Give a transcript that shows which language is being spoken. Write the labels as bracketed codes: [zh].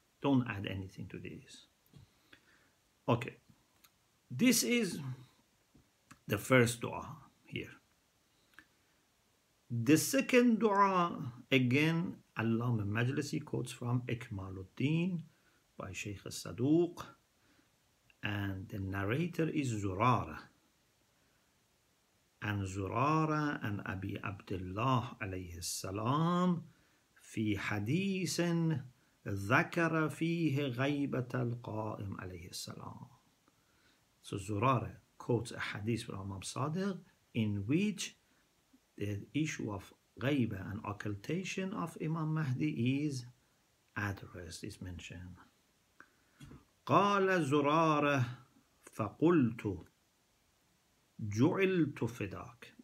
[en] Don't add anything to this. Okay, this is the first dua here. The second dua, again, Allama Majlisi quotes from Ikmaluddin by Shaykh al-Saduq, and the narrator is Zurara. And Zurara and [ar] Abi Abdullah alayhi salam, في حديث ذكر فيه غيبة القائم عليه السلام. [en] So Zurara quotes a hadith from Imam Sadiq in which the issue of غيبه and occultation of Imam Mahdi is addressed, is mentioned. [ar] قال زرارة فقلت جعلت فداك.